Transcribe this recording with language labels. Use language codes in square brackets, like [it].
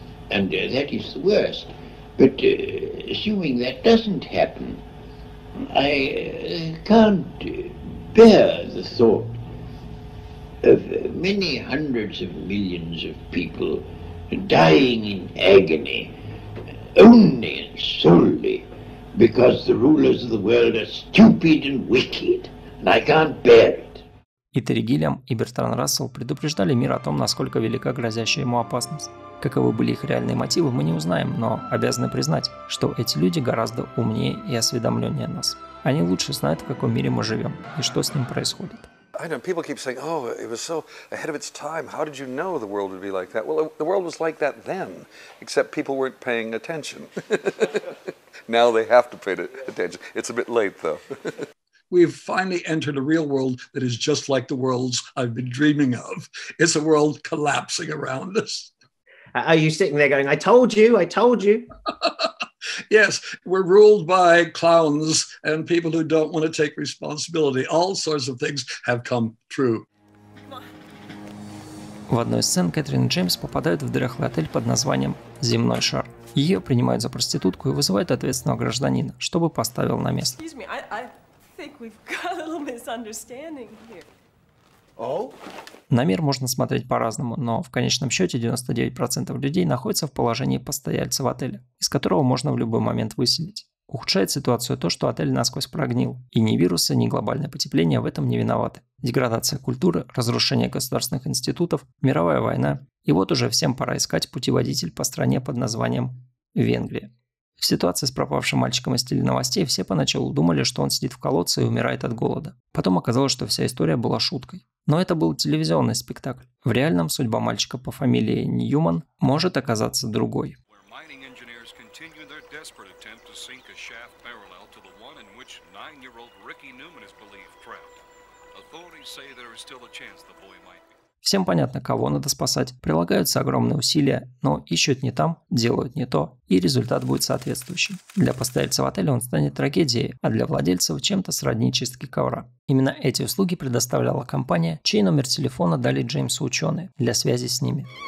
[en] And that is the worst. But assuming that doesn't happen, I can't bear the thought of many hundreds of millions of people dying in agony only and solely because the rulers of the world are stupid and wicked, and I can't bear it. [ru] И Терригелиам, и Бертран Рассел предупреждали мир о том, насколько велика грозящая ему опасность. Каковы были их реальные мотивы, мы не узнаем, но обязаны признать, что эти люди гораздо умнее и осведомленнее нас. Они лучше знают, в каком мире мы живем и что с ним происходит. [en] I know people keep saying, "Oh, it was so ahead of its time. How did you know the world would be like that?" Well, the world was like that then, except people weren't paying attention. Now they have to pay attention. It's a bit late, though. We've finally entered a real world that is just like the worlds I've been dreaming of. It's a world collapsing around us. Are you sitting there going, I told you? Yes, we're ruled by clowns and people who don't want to take responsibility. All sorts of things have come true. [ru] В одной из сцен Кэтрин и Джеймс попадают в дряхлый отель под названием «Земной шар». Ее принимают за проститутку и вызывают ответственного гражданина, чтобы поставил на место. [en] Excuse me, I think we've got a little misunderstanding here. [ru] На мир можно смотреть по-разному, но в конечном счете 99% людей находятся в положении постояльца в отеле, из которого можно в любой момент выселить. Ухудшает ситуацию то, что отель насквозь прогнил, и ни вирусы, ни глобальное потепление в этом не виноваты. Деградация культуры, разрушение государственных институтов, мировая война. И вот уже всем пора искать путеводитель по стране под названием Венгрия. В ситуации с пропавшим мальчиком из теленовостей все поначалу думали, что он сидит в колодце и умирает от голода. Потом оказалось, что вся история была шуткой. Но это был телевизионный спектакль. В реальном судьба мальчика по фамилии Ньюман может оказаться другой. [en] Where mining engineers continue their desperate attempt to sink a shaft parallel to the one in which 9-year-old Ricky Newman is believed trapped. Authorities say there is still a chance the boy might be. [ru] Всем понятно, кого надо спасать, прилагаются огромные усилия, но ищут не там, делают не то, и результат будет соответствующим. Для постояльца в отеле он станет трагедией, а для владельцев чем-то сродни чистке ковра. Именно эти услуги предоставляла компания, чей номер телефона дали Джеймсу ученые для связи с ними.